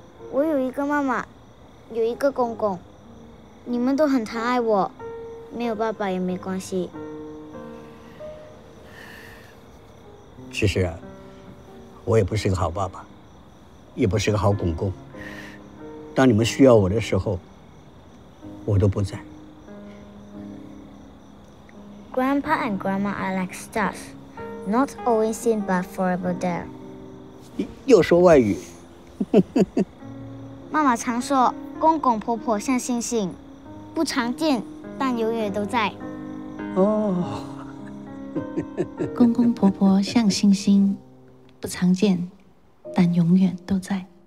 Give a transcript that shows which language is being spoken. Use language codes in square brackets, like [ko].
[zh] 我有一个妈妈，有一个公公，你们都很疼爱我，没有爸爸也没关系。其实啊，我也不是个好爸爸，也不是个好公公，当你们需要我的时候我都不在。 [en] Grandpa and Grandma are like stars, not always seen but forever there. [zh] 又说外语。妈妈常说公公婆婆像星星，不常见但永远都在。哦、公公婆婆像星星，不常见但永远都在。